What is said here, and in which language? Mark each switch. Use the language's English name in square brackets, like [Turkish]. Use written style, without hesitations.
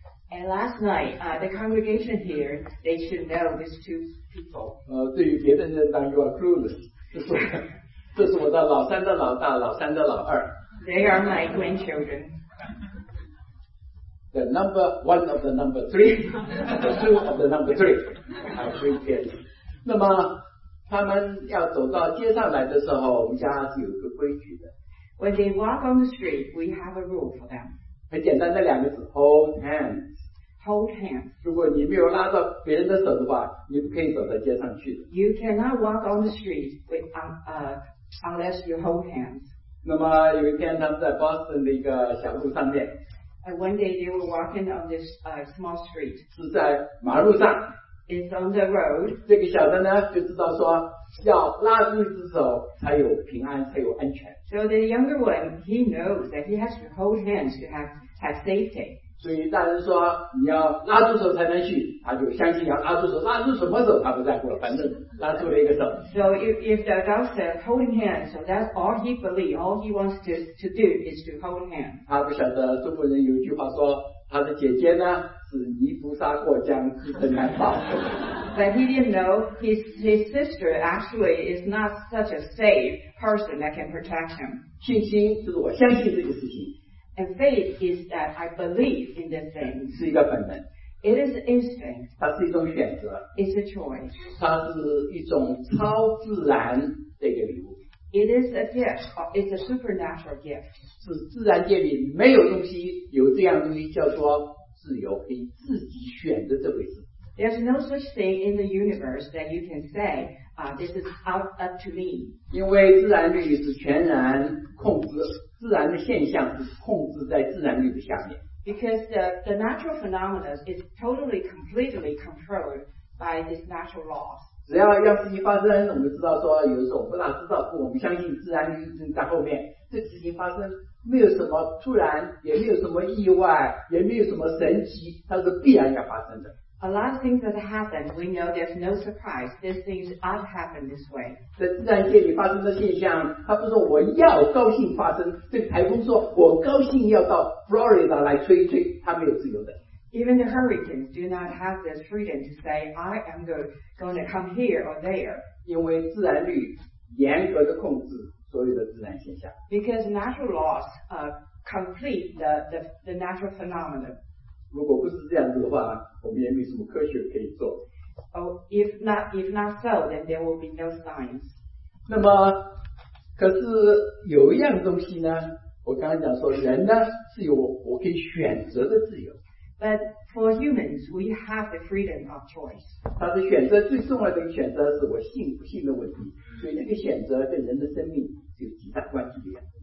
[English] And last night, the congregation here, they should know these two people. [Chinese] 对于别的人当 [English] you are clueless, [Chinese] 这是我的老三的老大，老三的老二。 [English] They are my grandchildren. The number one of the number three, the two of the number three, our three kids. [Chinese] 那么他们要走到街上来的时候，我们家是有一个规矩的。 [English] When they walk on the street, we have a rule for them. [Chinese] 很简单的两个字 ， [English] hold hands. Hold hands. [Chinese] 如果你没有拉到别人的手的话，你不可以走到街上去的。 [English] You cannot walk on the street unless you hold hands. [Chinese] 那么有一天，他们在 Boston 的一个小路上面。 [English] And one day they were walking on this small street. [Chinese] 是在马路上。 [English] It's on the road. [Chinese] 这个小的呢就知道说要拉住一只手才有平安，才有安全。 [English] So the younger one, he knows that he has to hold hands to have safety. [Chinese] 所以大人说你要拉住手才能去，他就相信要拉住手，拉住什么手他不在乎了，反正拉住了一个手。 [English] So if the adult says holding hands, so that's all he believes, all he wants to do is to hold hands. [Chinese] 他不晓得中国人有一句话说他的姐姐呢是泥菩萨过江自身难保。 [English] But he didn't know his sister actually is not such a safe person that can protect him. [Chinese] 信心就是我相信这个事情。 [English] And faith is that I believe in this thing. [Chinese] 是一个本能。 [English] It is instinct. [Chinese] 它是一种选择。 [English] It's a choice. [Chinese] 它是一种超自然的一个礼物。 [English] It is a gift. It's a supernatural gift. [Chinese] 是自然界里没有东西有这样东西叫做自由，可以自己选择这回事。 [English] There's no such thing in the universe that you can say, this is up to me. [Chinese] 因为自然律是全然控制，自然的现象是控制在自然律的下面。 [English] Because the natural phenomena is totally, completely controlled by these natural laws. [Chinese] 只要要事情发生，我们知道说有的时候不大知道，我们相信自然在后面。这事情发生没有什么突然，也没有什么意外，也没有什么神奇，它是必然要发生的。 [English] A lot of things that happen, we know there's no surprise. These things ought to happen this way. [Chinese] 在自然界里发生的现象，它不是我要高兴发生。这个台风说我高兴要到 Florida 来吹一吹，它没有自由的。 [English] Even the hurricanes do not have the freedom to say, I am going to come here or there. [Chinese] 因为自然律严格地控制所有的自然现象。 [English] Because natural laws complete the natural phenomena. [Chinese] 如果不是这样子的话，我们也没什么科学可以做。 [English] Oh, if not so, then there will be no science. [Chinese] 那么，可是有一样东西呢，我刚刚讲说，人呢是有我可以选择的自由。 [English] But for humans, we have the freedom of choice. [Chinese] 他的选择最重要的一个选择是我信不信的问题，所以这个选择对人的生命是有极大关系的。